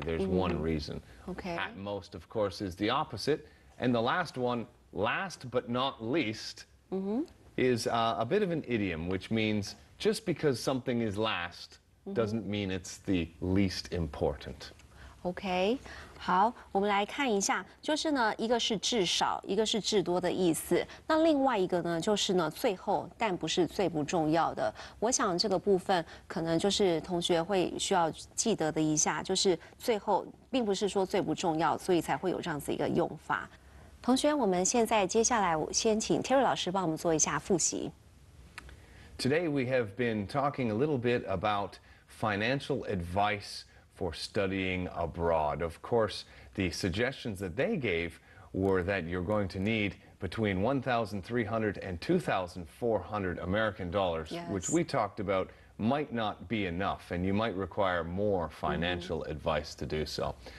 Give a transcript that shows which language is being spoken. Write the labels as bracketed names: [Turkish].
[English] There's one reason. Okay. At most, of course, is the opposite. And the last one, last but not least, is a bit of an idiom, which means just because something is last doesn't mean it's the least important. Okay. [Chinese] 好，我们来看一下，就是呢，一个是至少，一个是至多的意思。那另外一个呢，就是呢，最后但不是最不重要的。我想这个部分可能就是同学会需要记得的一下，就是最后并不是说最不重要，所以才会有这样子一个用法。同学，我们现在接下来我先请 Terry 老师帮我们做一下复习。 [English] Today we have been talking a little bit about financial advice. For studying abroad. Of course, the suggestions that they gave were that you're going to need between $1,300 and $2,400 American dollars, which we talked about might not be enough, and you might require more financial advice to do so.